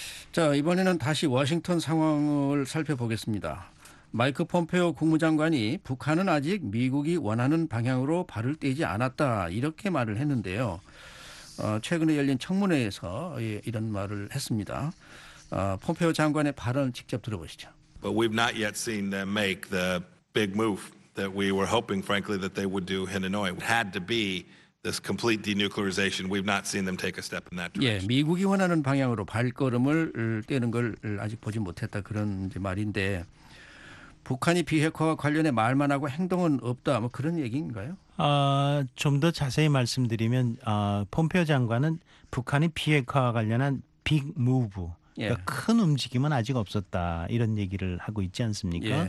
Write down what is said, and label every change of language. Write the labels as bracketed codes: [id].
[ko] 자, 이번에는 다시 워싱턴 상황을 살펴보겠습니다. 마이크 폼페오 국무장관이 북한은 아직 미국이 원하는 방향으로 발을 떼지 않았다 이렇게 말을 했는데요. 최근에 열린 청문회에서 이런 말을 했습니다. 폼페오 장관의 발언 직접 들어보시죠. [en] But we've not yet seen them make the big move that we were hoping, frankly, that they would do in Hanoi. It had to be this complete denuclearization. We've not seen them take a step in that direction. [ko] 예, 미국이 원하는 방향으로 발걸음을 떼는 걸 아직 보지 못했다 그런 이제 말인데 북한이 비핵화와 관련해 말만 하고 행동은 없다 뭐 그런 얘기인가요? 좀 더 자세히 말씀드리면 폼페오 장관은 북한이 비핵화와 관련한 빅 무브 그러니까 큰 움직임은 아직 없었다 이런 얘기를 하고 있지 않습니까?